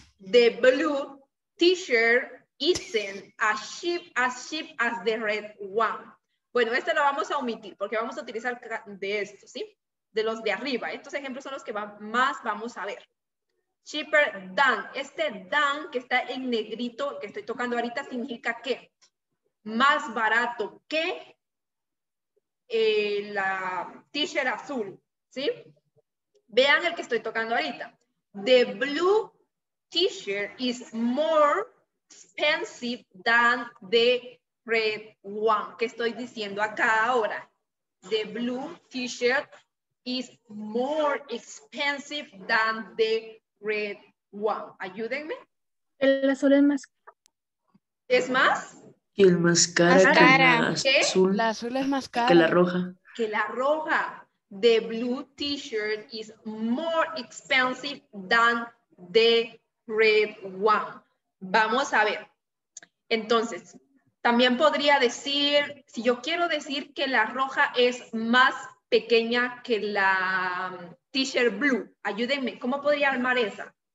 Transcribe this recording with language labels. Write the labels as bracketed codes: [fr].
[en] The blue t-shirt isn't as cheap as the red one. [es] Bueno, este lo vamos a omitir porque vamos a utilizar de estos, ¿sí? De los de arriba. Estos ejemplos son los que más vamos a ver. Cheaper than. Este than que está en negrito, que estoy tocando ahorita, significa que más barato que la t-shirt azul, ¿sí? Vean el que estoy tocando ahorita. [en] The blue t-shirt is more expensive than the red one. [es] ¿Qué estoy diciendo acá ahora? [en] The blue t-shirt is more expensive than the red one. [es] Ayúdenme. El azul es más. ¿Es más? Y el más caro que el azul. La azul es más cara. Que la roja. Que la roja. [en] The blue t-shirt is more expensive than the red one. [es] Vamos a ver. Entonces, también podría decir, si yo quiero decir que la roja es más pequeña que la t-shirt blue. Ayúdenme, ¿cómo podría armar esa?